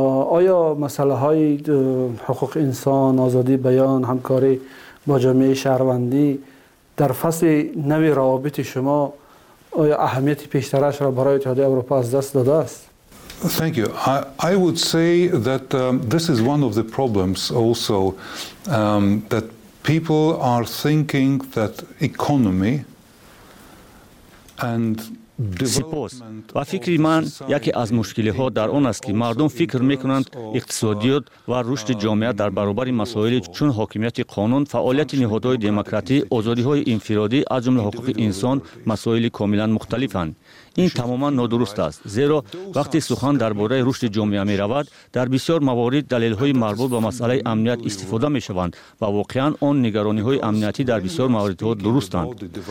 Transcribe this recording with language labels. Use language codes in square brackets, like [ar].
[fa] آیا مسئله های حقوق انسان، آزادی بیان، همکاری با جامعه شهروندی در فصل نوی روابط شما آیا اهمیت بیشترش را برای اتحادیه اروپا از دست داده است؟ [en] Thank you. I would say that this is one of the problems also that people are thinking that economy and [fa] سپاس. و فکر من یکی از مشکلی ها در آن است که مردم فکر میکنند اقتصادیات و رشد جامعه در برابر مسائل چون حاکمیت قانون، فعالیت نهادهای دموکراتی، آزادی های انفرادی از جمله حقوق انسان مسائل کاملا مختلفند. این تماما نادرست است، زیرا وقتی سخن درباره رشد جامعه می رود، در بسیار موارد دلیل های مربوط به مسئله امنیت استفاده می شوند و واقعا آن نگرانی های امنیتی در بسیار مواردها درستند.